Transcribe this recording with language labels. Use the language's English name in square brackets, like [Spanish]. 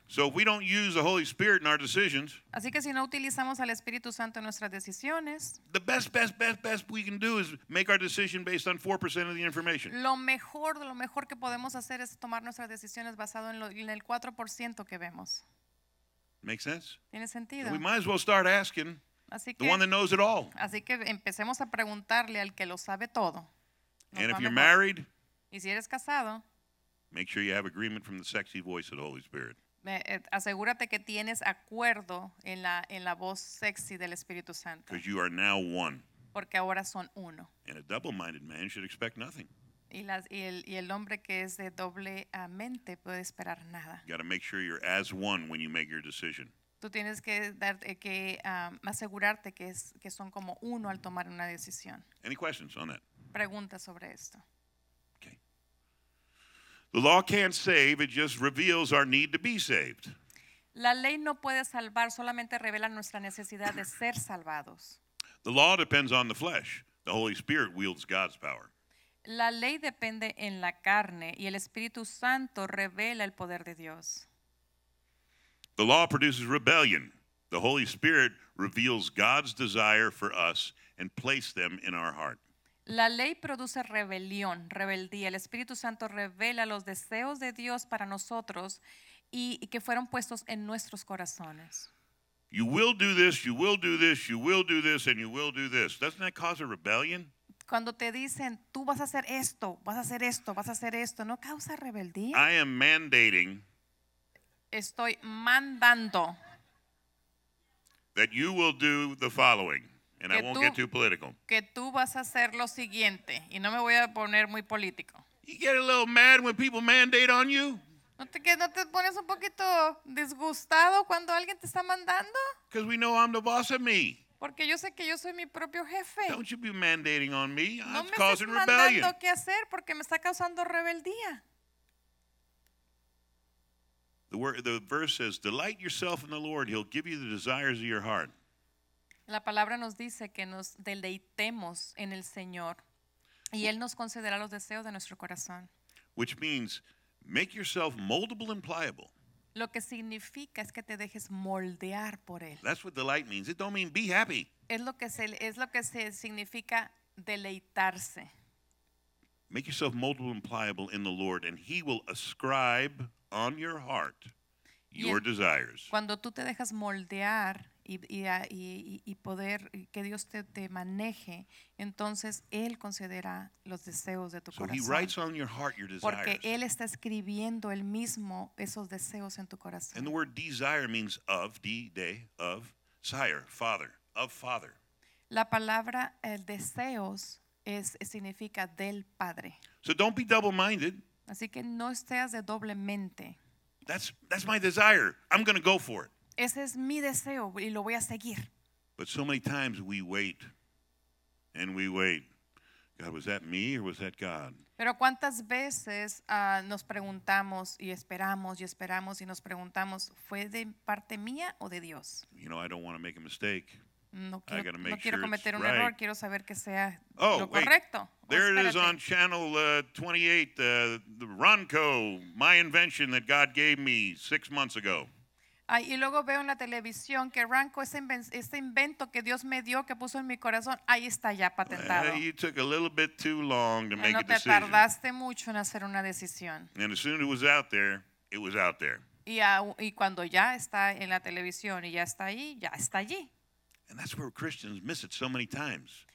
[English] So if we don't use the Holy Spirit in our decisions, [Spanish] así que si no utilizamos al Espíritu Santo en nuestras decisiones, [English] the best we can do is make our decision based on 4% of the information. [Spanish] Lo mejor que podemos hacer es tomar nuestras decisiones basado en el 4% que vemos. [English] Make sense? [Spanish] ¿Tiene sentido? [English] So we might as well start asking the one that knows it all. [Spanish] Así que empecemos a preguntarle al que lo sabe todo. [English] And if you're married, [Spanish] y si eres casado, [English] make sure you have agreement from the sexy voice of the Holy Spirit. [Spanish] Asegúrate que tienes acuerdo en la voz sexy del Espíritu Santo. [English] Because you are now one. [Spanish] Porque ahora son uno. [English] And a double-minded man should expect nothing. [Spanish] Y el hombre que es de doble mente puede esperar nada. [English] You got to make sure you're as one when you make your decision. [Spanish] Tú tienes que asegurarte que son como uno al tomar una decisión. [English] Any questions on that? [Spanish] Preguntas sobre esto. [English] The law can't save, it just reveals our need to be saved. [Spanish] La ley no puede salvar, solamente revela nuestra necesidad de ser salvados. [English] The law depends on the flesh. The Holy Spirit wields God's power. [Spanish] La ley depende en la carne y el Espíritu Santo revela el poder de Dios. [English] The law produces rebellion. The Holy Spirit reveals God's desire for us and places them in our heart. [Spanish] La ley produce rebelión, rebeldía. El Espíritu Santo revela los deseos de Dios para nosotros y que fueron puestos en nuestros corazones. [English] You will do this, you will do this, you will do this, and you will do this. Doesn't that cause a rebellion? [Spanish] Cuando te dicen, tú vas a hacer esto, vas a hacer esto, vas a hacer esto, ¿no causa rebeldía? [English] I am mandating. [Spanish] Estoy mandando. [English] That you will do the following. And I won't get too political. [Spanish] Que tú vas a hacer lo siguiente, y no me voy a poner muy político. [English] You get a little mad when people mandate on you. [Spanish] ¿No te pones un poquito disgustado cuando alguien te está mandando? [English] Because we know I'm the boss of me. [Spanish] Porque yo sé que yo soy mi propio jefe. [English] Don't you be mandating on me. [Spanish] No [English] it's causing [Spanish] estés [English] rebellion. [Spanish] No me estás mandando qué hacer porque me está causando rebeldía. [English] The verse says, "Delight yourself in the Lord; He'll give you the desires of your heart." [Spanish] La palabra nos dice que nos deleitemos en el Señor y Él nos concederá los deseos de nuestro corazón. [English] Which means, make yourself moldable and pliable. [Spanish] Lo que significa es que te dejes moldear por Él. [English] That's what delight means. It don't mean be happy. [Spanish] Es lo que significa deleitarse. [English] Make yourself moldable and pliable in the Lord and He will ascribe on your heart your desires. [Spanish] Cuando tú te dejas moldear y poder que Dios te maneje, entonces Él concederá los deseos de tu corazón. [English] So He writes on your heart your desires. [Spanish] Porque Él está escribiendo Él mismo esos deseos en tu corazón. [English] And the word desire means of, de, of, sire, father, of father. [Spanish] La palabra el deseos significa del padre. [English] So don't be double-minded. [Spanish] Así que no estés de doble mente. [English] That's my desire. I'm going to go for it. [Spanish] Ese es mi deseo y lo voy a seguir. [English] But so many times we wait and we wait. God, was that me or was that God? [Spanish] Pero cuántas veces nos preguntamos y esperamos y nos preguntamos, ¿fue de parte mía o de Dios? [English] You know, I don't want to make a mistake. [Spanish] No quiero cometer un [English] right. [Spanish] error, quiero saber que sea oh, lo correcto. [English] Wait. There it is on channel 28, the Ronco, my invention that God gave me 6 months ago. [Spanish] Y luego veo en la televisión que Ranco, este invento que Dios me dio, que puso en mi corazón, ahí está ya patentado. [English] You took a little bit too long to make a decision. [Spanish] No te tardaste mucho en hacer una decisión. [English] And as soon as it was out there, it was out there. [Spanish] Y cuando ya está en la televisión y ya está ahí, ya está allí. [English] And that's where Christians miss it so many times.